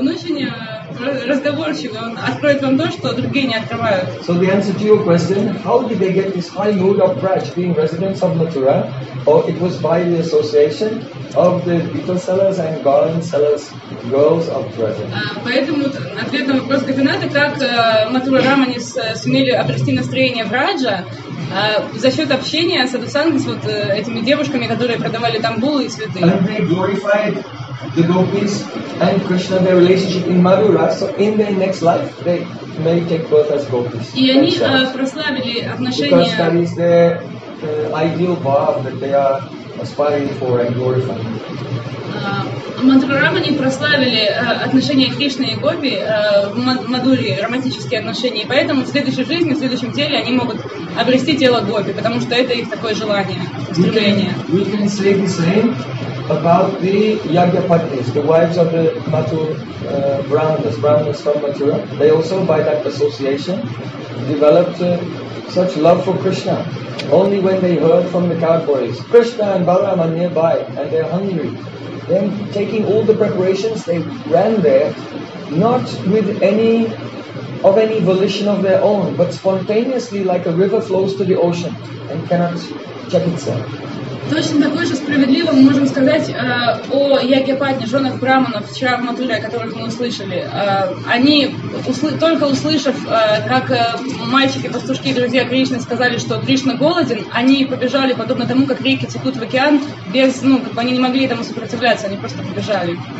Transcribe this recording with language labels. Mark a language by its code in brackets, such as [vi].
[ru] Он очень разговорчивый, он откроет вам то, что другие не открывают. [en] So the answer to your question, how did they get this high mood of Braj being residents of Mathura? Or it was by the association of the beetle sellers and garland sellers, girls of Braj. [ru] Поэтому ответ на вопрос Гопинаты, как Матура Рамани сумели обрести настроение Браджа, за счет общения садусанги с вот этими девушками, которые продавали тамбулы и цветы. [en] And they glorified the gopis and Krishna, their relationship in Mathura, so in their next life they may take birth as gopis. [ru] И они прославили отношения. [en] Because that is the ideal bhav that they are aspiring for and glorifying. [ru] Мадхурамани прославили отношения Кришны и Гопи в Мадуре, романтические отношения, и поэтому в следующей жизни, в следующем теле они могут обрести тело Гопи, потому что это их такое желание, стремление. [en] We can say the same about the Yagyapatnis, the wives of the Mathur Brahmanas from Mathura. They also, by that association, developed such love for Krishna. Only when they heard from the cowboys, Krishna and Balaram are nearby and they're hungry, then taking all the preparations, they ran there, not with any volition of their own, but spontaneously, like a river flows to the ocean and cannot check itself. [ru] Точно такое же справедливо мы можем сказать о Ягьяпатне, женах браманов, вчера в Матуре, о которых мы услышали. Они, только услышав, как мальчики-пастушки и друзья Кришны сказали, что Кришна голоден, они побежали, подобно тому, как реки текут в океан, они не могли этому сопротивляться, они просто побежали.